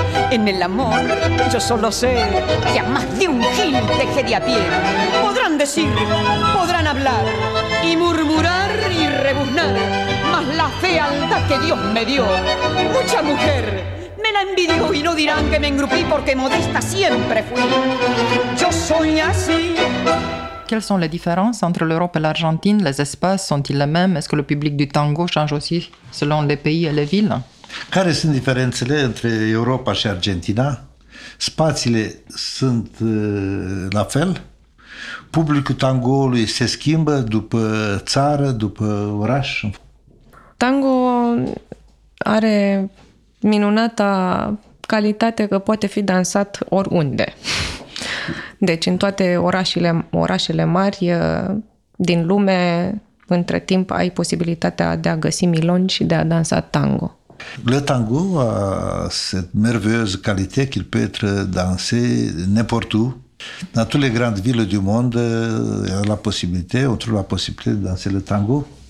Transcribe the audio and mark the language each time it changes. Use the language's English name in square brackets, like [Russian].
[Spanish] En el amor yo solo sé que a más de un gil dejé de a pie. Podrán decir, podrán hablar y murmurar y rebuznar, mas la fealdad que Dios me dio, mucha mujer me la envidió y no dirán que me engrupí porque modesta siempre fui. Yo soy así. [French] Quelles sont les différences entre l'Europe et l'Argentine? Les espaces sont-ils les mêmes? Est-ce que le public du tango change aussi selon les pays et les villes? [Romanian] Care sunt diferențele între Europa și Argentina? Spațiile sunt la fel? Publicul tangoului se schimbă după țară, după oraș? Tango are minunata calitate că poate fi dansat oriunde. Deci în toate orașele mari din lume, între timp ai posibilitatea de a găsi milongi și de a dansa tango. [French] Le tango a cette merveilleuse qualité qu'il peut être dansé n'importe où. Dans toutes les grandes villes du monde, il y a la possibilité, on trouve la possibilité de danser le tango.